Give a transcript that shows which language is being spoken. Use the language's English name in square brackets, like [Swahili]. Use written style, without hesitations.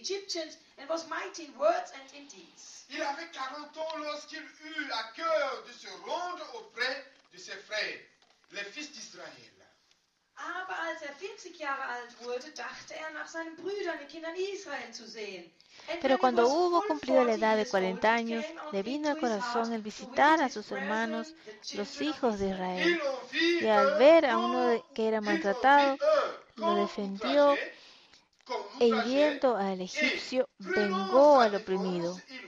[French] Il avait 40 ans lorsqu'il eut à cœur de se rendre auprès de ses frères, les fils d'Israël. [German] Aber als 40 Jahre alt wurde, dachte nach seinen Brüdern, den Kindern Israel zu sehen. [Spanish] Pero cuando hubo cumplido la edad de 40 años, le vino al corazón el visitar a sus hermanos, los hijos de Israel. Y al ver a uno que era maltratado, lo defendió, e hiriendo al egipcio, vengó al oprimido.